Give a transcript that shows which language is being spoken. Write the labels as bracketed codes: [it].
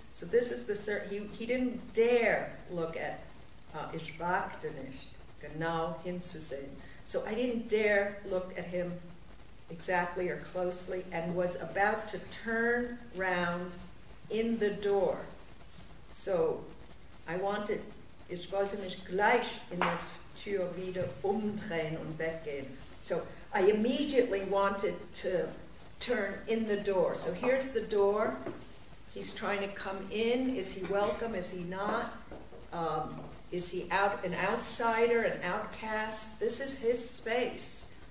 [en] So this is the he didn't dare look at [de] ich wagte nicht, genau hinzusehen. [en] So I didn't dare look at him exactly or closely and was about to turn round in the door. So I wanted, [de] Ich wollte mich gleich in der Tür wieder umdrehen und weggehen. [en] So I immediately wanted to turn in the door. So here's the door. He's trying to come in. Is he welcome? Is he not? Is he out, an outsider, an outcast? This is his space.